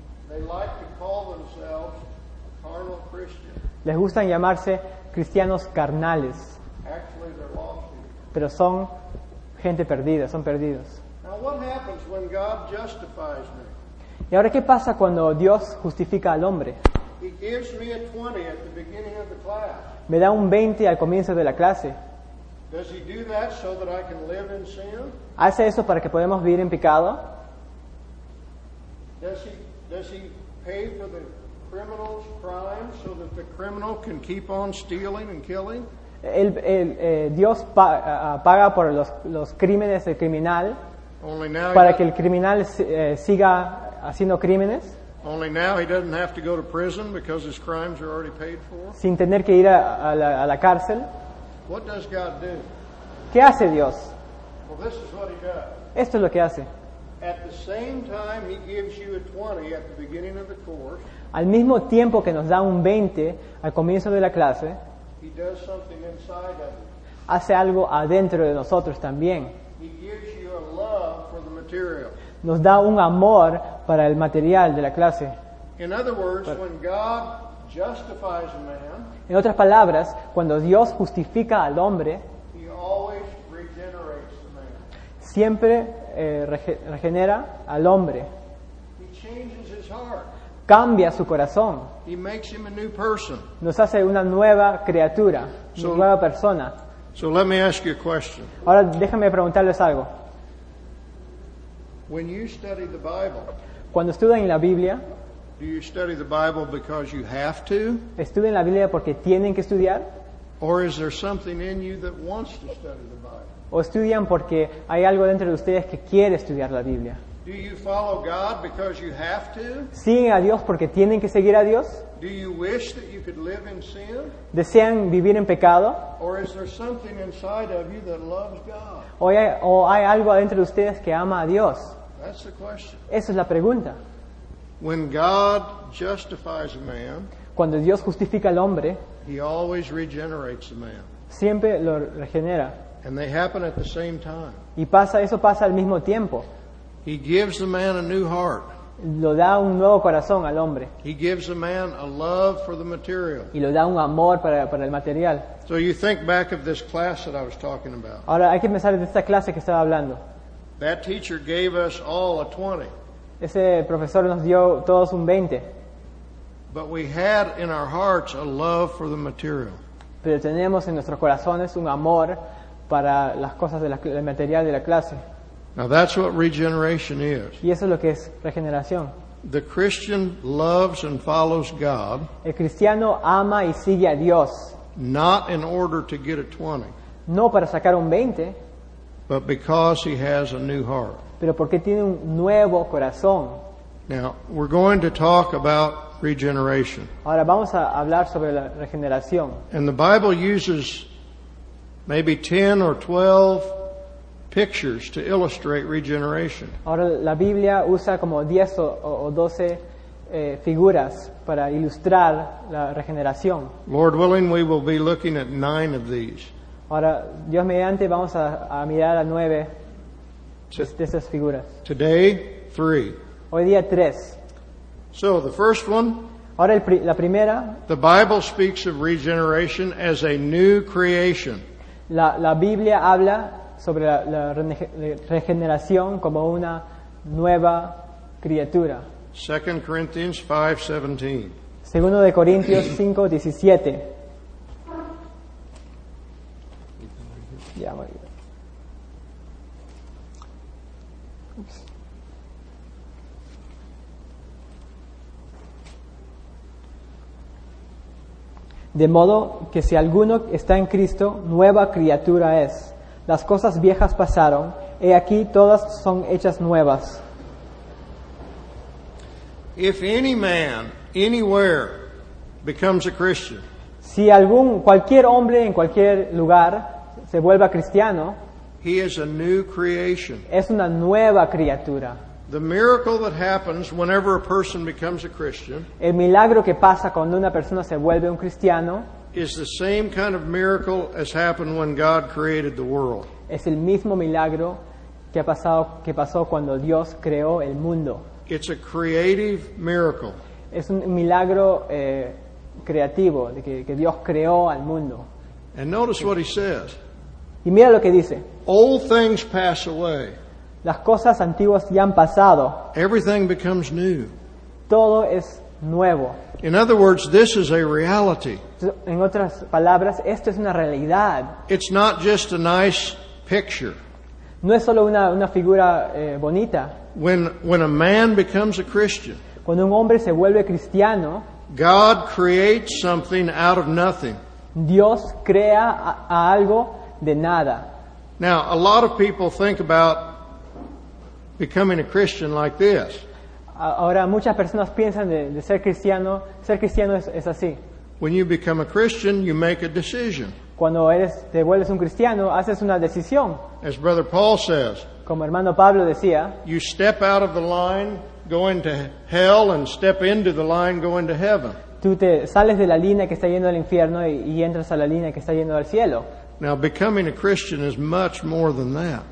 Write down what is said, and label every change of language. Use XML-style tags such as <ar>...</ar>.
<en>They like to call themselves carnal Christians.</en> <es>Les gustan llamarse cristianos carnales.</es> <en>Actually, they're lost.</en> <es>Pero son gente perdida, son perdidos.</es> <en>Now, what happens when God justifies me?</en> <es>¿Y ahora qué pasa cuando Dios justifica al hombre?</es> <en>He gives me a 20 at the beginning of the class.</en> <es>Me da un 20 al comienzo de la clase.</es> <en>Does he do that so that I can live in sin?</en> <es>¿Hace eso para que podamos vivir en pecado?</es> <en>Does he pay for the criminal's crime so that the criminal can keep on stealing and killing?</en> <es>Dios paga por los crímenes del criminal para que el criminal siga haciendo crímenes.</es> <en>Only now he doesn't have to go to prison because his crimes are already paid for.</en> <es>Sin tener que ir a la cárcel.</es> <en>What does God do?</en> <es>¿Qué hace Dios?</es> <en>Well, this is what he does.</en> <es>Esto es lo que hace.</es> <en>At the same time he gives you a 20 at the beginning of the course.</en> <es>Al mismo tiempo que nos da un 20 al comienzo de la clase.</es> <en>He does something inside of you.</en> <es>Hace algo adentro de nosotros también.</es> <en>He gives you a love for the material.</en> <es>Nos da un amor para el material de la clase.</es> <en>In other words, when God justifies a man,</en> <es>en otras palabras, cuando Dios justifica al hombre,</es> <en>he always regenerates the man.</en> <es>Siempre regenera al hombre.</es> <en>He changes his heart.</en> <es>Cambia su corazón.</es> <en>He makes him a new person.</en> <es>Nos hace una nueva criatura, una nueva persona.</es> <en>So let me ask you a question.</en> <es>Ahora déjame preguntarles algo.</es> <en>When you study the Bible,</en> <es>cuando estudian la Biblia,</es> <en>do you study the Bible because you have to?</en> <es>¿Estudian la Biblia porque tienen que estudiar?</es> <en>Or is there something in you that wants to study the Bible?</en> <es>¿O estudian porque hay algo dentro de ustedes que quiere estudiar la Biblia?</es> <en>Do you follow God because you have to?</en> <es>¿Siguen a Dios porque tienen que seguir a Dios?</es> <en>Do you wish that you could live in sin?</en> <es>¿Desean vivir en pecado?</es> <en>Or is there something inside of you that loves God?</en> <es>¿O hay algo dentro de ustedes que ama a Dios?</es> <en>That's the question.</en> <es>Esa es la pregunta.</es> <en>When God justifies a man,</en> <es>cuando Dios justifica al hombre,</es> <en>he always regenerates the man.</en> <es>Siempre lo regenera.</es> <en>And they happen at the same time.</en> <es>Y pasa, eso pasa al mismo tiempo.</es> <en>He gives the man a new heart.</en> <es>Lo da un nuevo corazón al hombre.</es> <en>He gives the man a love for the material.</en> <es>Y lo da un amor para el material.</es> <en>So you think back of this class that I was talking about.</en> <es>Ahora hay que pensar de esta clase que estaba hablando.</es> <en>That teacher gave us all a 20.</en> <es>Ese profesor nos dio todos un 20.</es> <en>But we had in our hearts a love for the material.</en> <es>pero tenemos en nuestros corazones un amor para las cosas de la, el material de la clase.</es> <en>Now that's what regeneration is.</en> <es>Y eso es lo que es regeneración.</es> <en>The Christian loves and follows God.</en> <es>El cristiano ama y sigue a Dios.</es> <en>Not in order to get a 20.</en> <es>No para sacar un 20.</es> <en>But because he has a new heart.</en> <es>Pero porque tiene un nuevo corazón.</es> <en>Now, we're going to talk about regeneration.</en> <es>Ahora vamos a hablar sobre la regeneración.</es> <en>And the Bible uses maybe 10 or 12 pictures to illustrate regeneration.</en> <es>Ahora la Biblia usa como 10 o 12 figuras para ilustrar la regeneración.</es> <en>Lord willing, we will be looking at 9 of these.</en> <es>Ahora, Dios mediante, vamos a mirar a 9 de esas figuras.</es> <en>Today, 3.</en> <es>Hoy día, 3.</es> <en>So, the first one.</en> <es>Ahora, la primera.</es> <en>The Bible speaks of regeneration as a new creation.</en> <es>La Biblia habla sobre la regeneración como una nueva criatura.</es> <en>2 Corinthians 5:17.</en> <es>Segundo de Corintios 5:17. Yeah, de modo que si alguno está en Cristo, nueva criatura es. Las cosas viejas pasaron, y aquí todas son hechas nuevas.</es> <en>If any man, anywhere, becomes a Christian,</en> <es>si algún, cualquier hombre en cualquier lugar se vuelva cristiano,</es> <en>he is a new creation.</en> <es>Es una nueva criatura.</es> <en>The miracle that happens whenever a person becomes a Christian,</en> <es>el milagro que pasa cuando una persona se vuelve un cristiano,</es> <en>is the same kind of miracle as happened when God created the world.</en> <es>Es el mismo milagro que ha pasado, que pasó cuando Dios creó el mundo.</es> <en>It's a creative miracle.</en> <es>Es un milagro creativo de que Dios creó al mundo.</es> <en>And notice what he says.</en> <es>Y mira lo que dice.</es> <en>All things pass away.</en> <es>Las cosas antiguas ya han pasado.</es> <en>Everything becomes new.</en> <es>Todo es nuevo.</es> <en>In other words, this is a reality.</en> <es>En otras palabras, esto es una realidad.</es> <en>It's not just a nice picture.</en> <es>No es solo una figura bonita.</es> <en>When a man becomes a Christian,</en> <es>cuando un hombre se vuelve cristiano,</es> <en>God creates something out of nothing.</en> <es>Dios crea a algo de nada.</es> <en>Now, a lot of people think about becoming a Christian like this.</en> <es>Ahora muchas personas piensan de ser cristiano. Ser cristiano es así.</es> <en>When you become a Christian, you make a decision.</en> <es>Cuando eres, te vuelves un cristiano, haces una decisión.</es> <en>As Brother Paul says,</en> <es>como hermano Pablo decía,</es> <en>you step out of the line going to hell and step into the line going to heaven.</en> <es>Tú te sales de la línea que está yendo al infierno y entras a la línea que está yendo al cielo.</es> <en>Now, becoming a Christian is much more than that.</en>